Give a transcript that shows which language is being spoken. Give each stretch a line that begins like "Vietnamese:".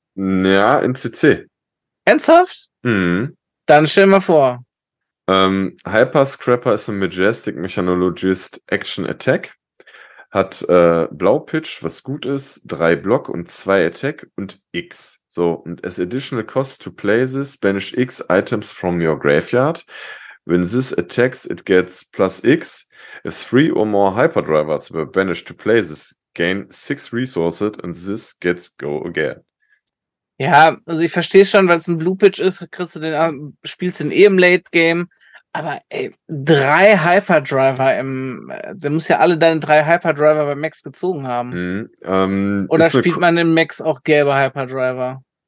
German: Ja, in CC. Ernsthaft? Mhm. Dann stell mal vor. Hyper-Scrapper ist ein Majestic Mechanologist Action Attack. Hat Blau-Pitch, was gut ist, 3 Block und 2 Attack und X. So, und
English: as additional cost to play this, banish X items from your graveyard. When this attacks, it gets plus X. If 3 or more Hyperdrivers were banished to play this, gain 6 resources and this gets go again.
German: Ja, also ich verstehe schon, weil es ein Blue Pitch ist, kriegst du den, spielst den eh im Late Game. Aber ey, 3 Hyperdriver im, du musst ja alle deine 3 Hyperdriver bei Max gezogen haben. Hm, oder spielt man im Max auch gelbe Hyperdriver?